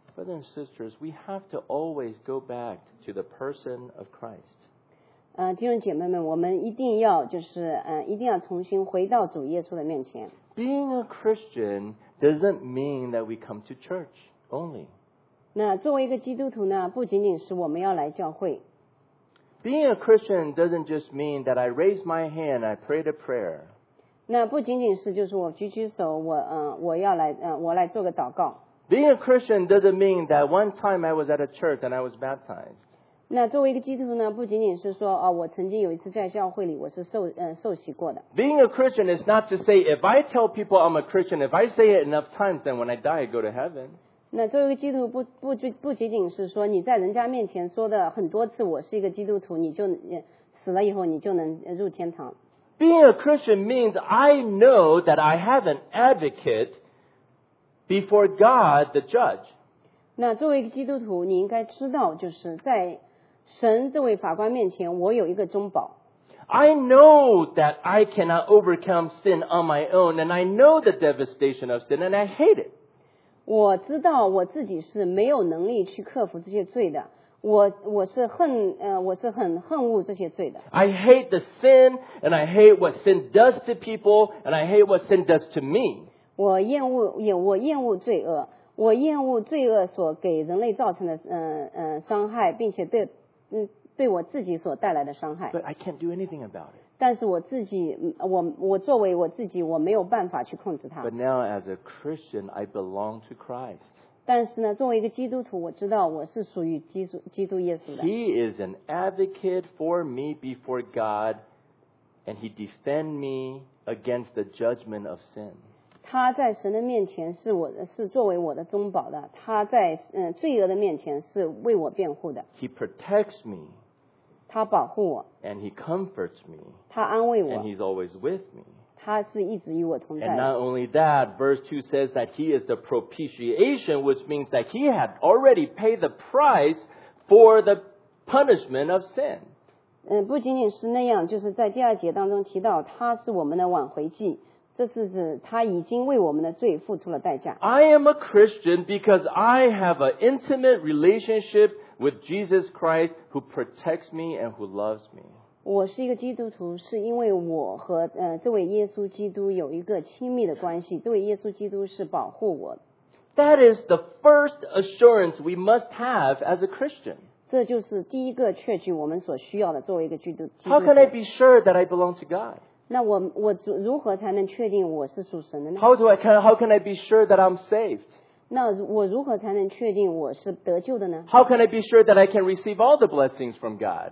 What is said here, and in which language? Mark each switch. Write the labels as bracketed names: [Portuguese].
[English] Brothers and sisters, we have to always go back to the person of Christ. [Chinese] 弟兄姐妹们，我们一定要一定要重新回到主耶稣的面前。 [English] Being a Christian doesn't mean that we come to church only. [Chinese] 那作为一个基督徒呢，不仅仅是我们要来教会。 [English] Being a Christian doesn't just mean that I raise my hand, I pray the prayer. [Chinese] 那不仅仅是就是我举举手，我要来我来做个祷告。 [English] Being a Christian doesn't mean that one time I was at a church and I was baptized. [Chinese] 那作为一个基督徒呢，不仅仅是说我曾经有一次在教会里我是受洗过的。 [English] Being a Christian is not to say if I tell people I'm a Christian, if I say it enough times, then when I die, I go to heaven. [Chinese] 那作为一个基督徒 不仅仅是说你在人家面前说的很多次我是一个基督徒你就死了以后你就能入天堂。 [English] Being a Christian means I know that I have an advocate before God the judge. [Chinese] 那作为一个基督徒你应该知道就是在神这位法官面前我有一个中保。 [English] I know that I cannot overcome sin on my own and I know the devastation of sin and I hate it. [Chinese] 我知道我自己是没有能力去克服这些罪的，我是很恨恶这些罪的。 [English] I hate the sin, and I hate what sin does to people, and I hate what sin does to me. [Chinese] 我厌恶罪恶，我厌恶罪恶所给人类造成的伤害，并且对我自己所带来的伤害。 [English] But I can't do anything about it. [Chinese] 但是我自己，我作为我自己，我没有办法去控制它。 [English] But now, as a Christian, I belong to Christ. [Chinese] 但是呢，作为一个基督徒，我知道我是属于基督耶稣的。 [English] He is an advocate for me before God, and he defend me against the judgment of sin. [Chinese] 他在神的面前是作为我的中保的，他在罪恶的面前是为我辩护的。 [English] He protects me. [Chinese] 他保护我 [English] and he comforts me, [Chinese] 他安慰我 [English] and he's always with me. [Chinese] 他是一直与我同在 [English] and not only that, verse 2 says that he is the propitiation, which means that he had already paid the price for the punishment of sin. [Chinese] 不仅仅是那样，就是在第二节当中提到他是我们的挽回祭，这是指他已经为我们的罪付出了代价。 [English] I am a Christian because I have an intimate relationship with Jesus Christ who protects me and who loves me. [Chinese] 我是一个基督徒是因为我和这位耶稣基督有一个亲密的关系，这位耶稣基督是保护我。 [English] That is the first assurance we must have as a Christian. [Chinese] 这就是第一个确据我们所需要的作为一个基督徒。 [English] How can I be sure that I belong to God? [Chinese] 那我如何才能确定我是属神的呢？ [English] How can I be sure that I'm saved? [Chinese] 那我如何才能确定我是得救的呢？ [English] How can I be sure that I can receive all the blessings from God?